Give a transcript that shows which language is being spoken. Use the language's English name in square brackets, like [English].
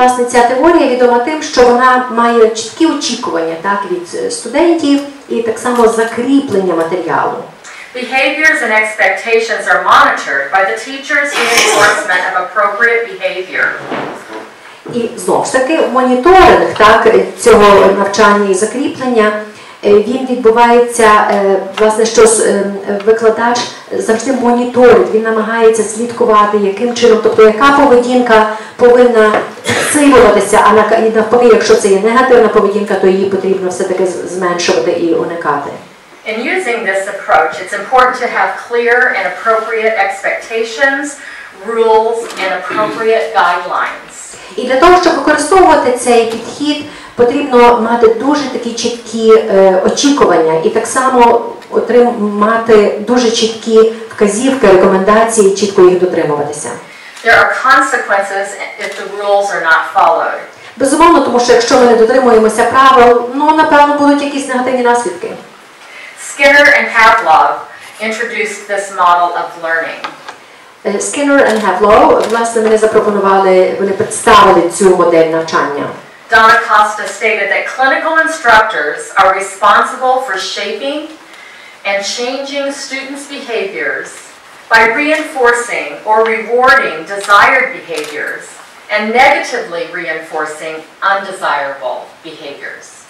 [Ukrainian] Ця теорія відома тим, що вона має чіткі очікування, так, від студентів і так само закріплення матеріалу. [English] Behaviors and expectations are monitored by the teacher's reinforcement of appropriate behavior. [Ukrainian] І знову ж таки, моніторинг, так, цього навчання і закріплення, він відбувається, власне, що викладач завжди моніторить, він намагається слідкувати, яким чином, тобто яка поведінка повинна підсилюватися, а навпаки, якщо це є негативна поведінка, то її потрібно все-таки зменшувати і уникати. [English] In using this approach, it's important to have clear and appropriate expectations, rules, and appropriate guidelines. [Ukrainian] І для того, щоб використовувати цей підхід, потрібно мати дуже такі чіткі очікування і так само отримати дуже чіткі вказівки, рекомендації, чітко їх дотримуватися. [English] There are consequences if the rules are not followed. [Ukrainian] Безумовно, тому що якщо ми не дотримуємося правил, ну, напевно, будуть якісь негативні наслідки. [English] Skinner and Pavlov introduced this model of learning. [Ukrainian] Skinner and Pavlov, власне, мені запропонували, вони представили цю модель навчання. [English] Donna Costa stated that clinical instructors are responsible for shaping and changing students' behaviors by reinforcing or rewarding desired behaviors and negatively reinforcing undesirable behaviors.